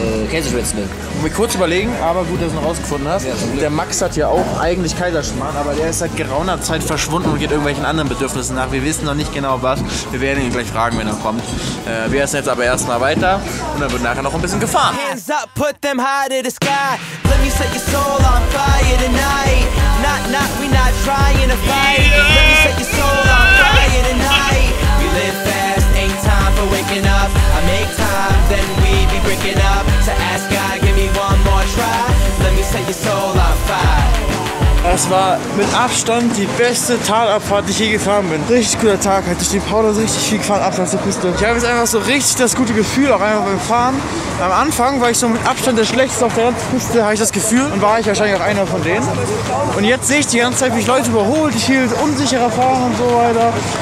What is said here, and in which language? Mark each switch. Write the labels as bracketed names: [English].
[German] Käseschmetzle. Um mich kurz überlegen, aber gut, dass du ihn rausgefunden hast. Ja, der Max hat ja auch eigentlich Kaiserschmarrn, aber der ist seit geraumer Zeit verschwunden und geht irgendwelchen anderen Bedürfnissen nach. Wir wissen noch nicht genau was. Wir werden ihn gleich fragen, wenn er kommt. Wir essen jetzt aber erstmal weiter und dann wird nachher noch ein bisschen gefahren. [English] Hands up, put them high to the sky. Let me set your soul on fire tonight. Not, not, we not trying to fight. Yeah. Let me set your soul on fire tonight. We live fast, ain't time for waking up. I make time, then we be breaking up. To ask God, give me one more try. Let me set your soul on fire. [German] Das war mit Abstand die beste Talabfahrt, die ich je gefahren bin. Richtig guter Tag, hat durch den Paulus richtig viel gefahren, ab zur Küste. Ich habe jetzt einfach so richtig das gute Gefühl, auch einfach beim Fahren. Am Anfang war ich so mit Abstand der Schlechteste auf der ganzen Küste, habe ich das Gefühl. Und war ich wahrscheinlich auch einer von denen. Und jetzt sehe ich die ganze Zeit, wie ich Leute überholt, ich hielt unsicherer fahren und so weiter.